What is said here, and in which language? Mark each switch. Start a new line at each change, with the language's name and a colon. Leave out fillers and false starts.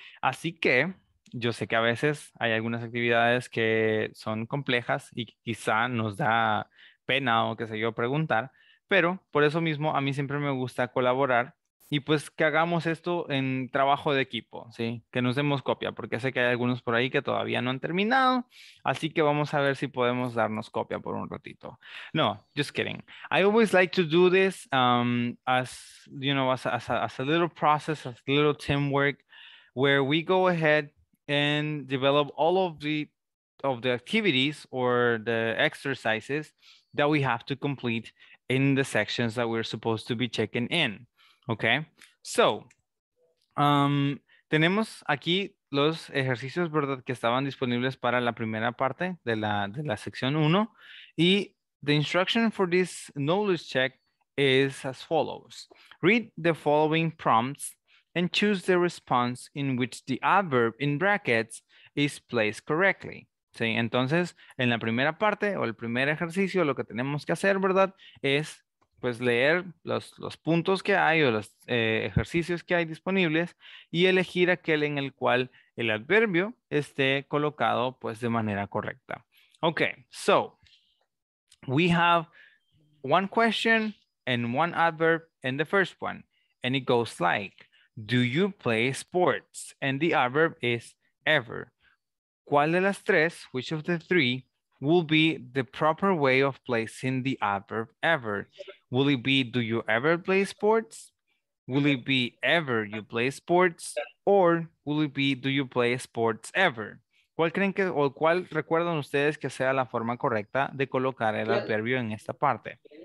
Spanish: Así que yo sé que a veces hay algunas actividades que son complejas y quizá nos da pena o qué sé yo preguntar. Pero por eso mismo a mí siempre me gusta colaborar y pues que hagamos esto en trabajo de equipo, ¿sí? Que nos demos copia, porque sé que hay algunos por ahí que todavía no han terminado, así que vamos a ver si podemos darnos copia por un ratito.
English: No, just kidding. I always like to do this as a little process, as a little teamwork, where we go ahead and develop all of the activities or the exercises that we have to complete in the sections that we're supposed to be checking in, okay? So,
Spanish: tenemos aquí los ejercicios, ¿verdad? Que estaban disponibles para la primera parte de la sección 1. Y
English: the instruction for this knowledge check is as follows. Read the following prompts and choose the response in which the adverb in brackets is placed correctly.
Spanish: Sí, entonces, en la primera parte o el primer ejercicio, lo que tenemos que hacer, ¿verdad? Es, pues, leer los puntos que hay o los ejercicios que hay disponibles y elegir aquel en el cual el adverbio esté colocado, pues, de manera correcta.
English: Okay, so, we have one question and one adverb in the first one. And it goes like, do you play sports? And the adverb is ever.
Spanish: ¿Cuál de las tres,
English: which of the three, will be the proper way of placing the adverb ever? Will it be, do you ever play sports? Will it be, ever you play sports? Or will it be, do you play sports ever?
Spanish: ¿Cuál creen que, o cuál recuerdan ustedes que sea la forma correcta de colocar el adverbio en esta parte?